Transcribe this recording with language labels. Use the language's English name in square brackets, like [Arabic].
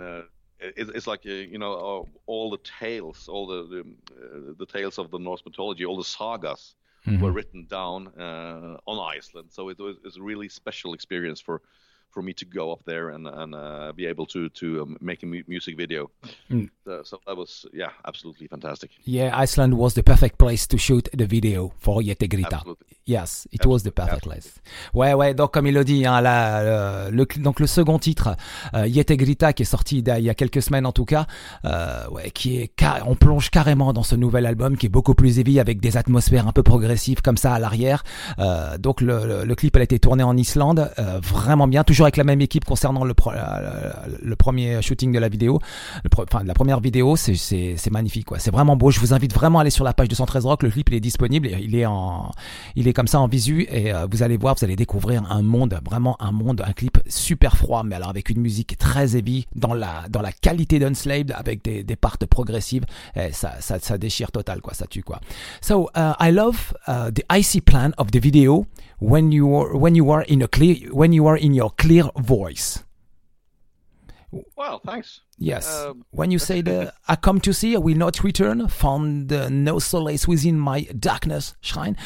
[English] And it's like, you know, all the tales, all the tales of the Norse mythology, all the sagas, mm-hmm, were written down on Iceland. So it's a really special experience for me to go up there and be able to make a music video. So that was, yeah, absolutely fantastic. Yeah, Iceland was the perfect place to shoot the video for Yete Grita. Absolutely. Yes, it was the perfect place. [French] Ouais, donc comme il le dit, hein, le second titre, Yete Grita, qui est sorti il y a quelques semaines en tout cas, on plonge carrément dans ce nouvel album qui est beaucoup plus heavy, avec des atmosphères un peu progressives comme ça à l'arrière. Donc le clip, elle a été tournée en Islande, vraiment bien, toujours avec la même équipe concernant le premier shooting de la vidéo, enfin de la première vidéo. C'est magnifique quoi, c'est vraiment beau. Je vous invite vraiment à aller sur la page de 213 Rock. Le clip, il est disponible, il est comme ça en visu, et vous allez voir, vous allez découvrir un monde, un clip super froid, mais alors avec une musique très heavy, dans la qualité d'Unslaved, avec des parts progressives, et ça déchire total quoi, ça tue quoi. [English] So I love the icy plan of the video when you are in your clear voice. Well, thanks. Yes. When you say I come to see, I will not return, found no solace within my darkness shrine.